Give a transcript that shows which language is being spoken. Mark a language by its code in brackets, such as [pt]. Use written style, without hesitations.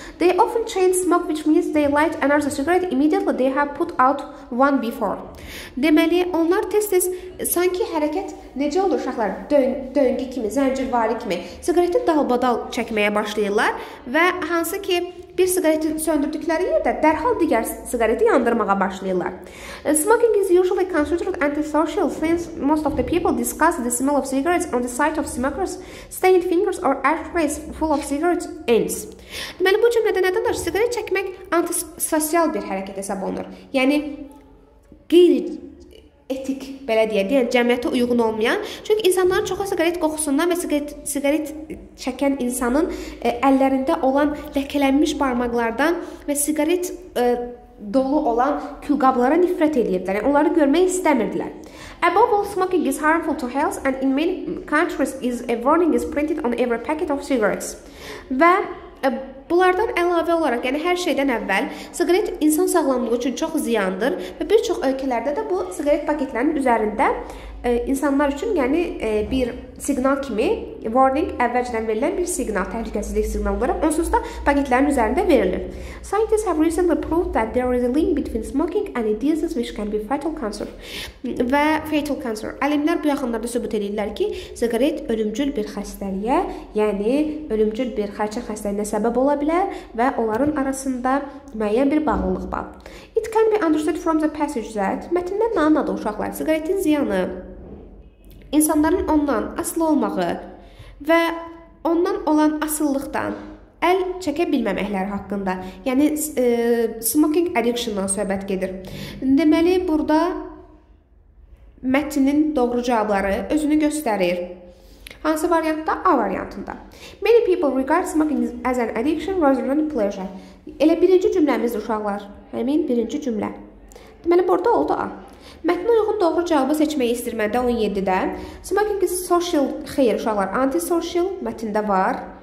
[en] They often change smoke, which means they light another cigarette immediately they have put out one before. [az] Deməli, onlar tez-tez, sanki hərəkət necə olur uşaqlar, döngü kimi, zəncirvari kimi, siqareti dalbadal çəkməyə başlayırlar və hansı ki, bir siqareti söndürdükləri yerdə dərhal digər siqareti yandırmağa başlayırlar. [en] Smoking is usually considered antisocial since most of the people discuss the smell of cigarettes on the sight of smokers, stained fingers or ashtrays full of cigarette ends. [az] Deməli, bu cümlədə nədən var? Siqaret çəkmək antisosial bir hərəkət hesab olunur. Yəni, qeyri etik, belə deyək, deyən, cəmiyyətə uyğun olmayan. Çünki insanların çoxu siqaret qoxusundan və siqaret çəkən insanın əllərində olan ləkələnmiş barmaqlardan və siqaret dolu olan külqablara nifrət edirdilər. Yəni, onları görmək istəmirdilər. [en] Above all, smoking is harmful to health and in many countries is a warning is printed on every packet of cigarettes. [az] Və bunlardan əlavə olaraq, yəni hər şeydən əvvəl, siqaret insan sağlamlığı üçün çox ziyandır və bir çox ölkələrdə də bu siqaret paketlərinin üzərində insanlar üçün yəni bir siqnal kimi, warning əvvəlcədən verilən bir siqnal, təhlükəsizlik siqnalı olaraq, onsuz da paketlərin üzərində verilir. [en] Scientists have recently proved that there is a link between smoking and a disease which can be fatal cancer. [az] Və [en] fatal cancer. [az] Alimlər bu yaxınlarda sübut edirlər ki, siqaret ölümcül bir xəstəliyə, yəni ölümcül bir xərçəng xəstəliyinə səbəb ola bilər və onların arasında müəyyən bir bağlılıq var. [en] It can be understood from the passage that [az] mətnində nə anladı uşaqlar? Siqaretin ziyanı, insanların ondan asılı olmağı və ondan olan asıllıqdan əl çəkə bilməməkləri haqqında, yəni smoking addiction-dan söhbət gedir. Deməli, burada mətnin doğru cavabları özünü göstərir. Hansı variantda? A variantında. [en] Many people regard smoking as an addiction rather than a pleasure. [az] Elə birinci cümləmizdir uşaqlar. Həmin birinci cümlə. Deməli, burada oldu A. Mətnə uyğun doğru cavabı seçməyi istirmədə 17-də. [en] Smoking is social, [az] xeyr uşaqlar, antisocial mətində var.